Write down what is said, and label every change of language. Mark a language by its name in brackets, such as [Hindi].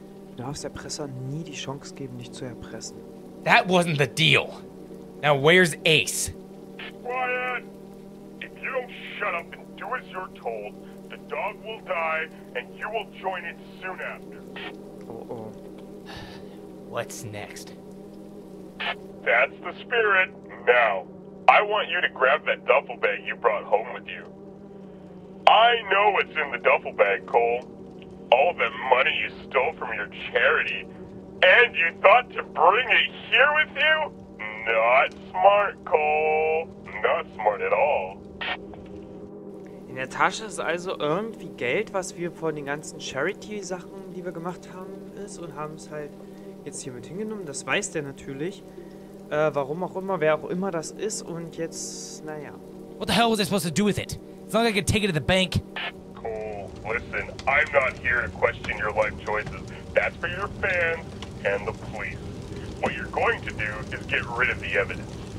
[German] Du darfst Erpresser nie die Chance geben, dich zu erpressen. [English] That wasn't the deal. Now where's Ace? Quiet! You don't shut up and do as you're told. The dog will die, and you will join it soon after. Uh-oh. What's next? That's the spirit. Now, I want you to grab that duffel bag you brought home with you. I know what's in the duffel bag, Cole. All the money you stole from your charity. And you thought to bring it here with you? Not smart, Cole. Not smart at all. [German] In der Tasche ist also irgendwie Geld, was wir von den ganzen Charity-Sachen, die wir gemacht haben, ist und haben es halt jetzt hier mit hingenommen. Das weiß der natürlich. Warum auch immer, wer auch immer das ist und jetzt, naja. [English] What the hell was I supposed to do with it? As long as I can take it to the bank. Cole, listen, I'm not here to question your life choices. That's for your fans and the police. What you're going to do is get rid of the evidence.